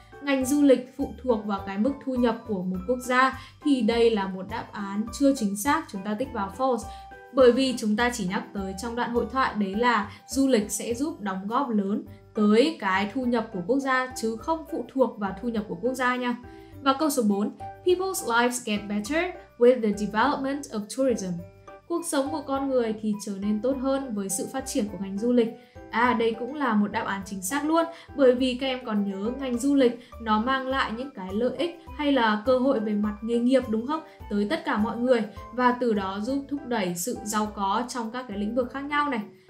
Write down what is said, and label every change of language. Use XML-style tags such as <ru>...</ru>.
<vi>Ngành du lịch phụ thuộc vào cái mức thu nhập của một quốc gia thì đây là một đáp án chưa chính xác, chúng ta tích vào false. Bởi vì chúng ta chỉ nhắc tới trong đoạn hội thoại đấy là du lịch sẽ giúp đóng góp lớn tới cái thu nhập của quốc gia chứ không phụ thuộc vào thu nhập của quốc gia nha. Và câu số 4,</vi> <en>people's lives get better with the development of tourism.</en> <vi>Cuộc sống của con người thì trở nên tốt hơn với sự phát triển của ngành du lịch. À, đây cũng là một đáp án chính xác luôn, bởi vì các em còn nhớ ngành du lịch nó mang lại những cái lợi ích hay là cơ hội về mặt nghề nghiệp đúng không? Tới tất cả mọi người và từ đó giúp thúc đẩy sự giàu có trong các cái lĩnh vực khác nhau này.</vi>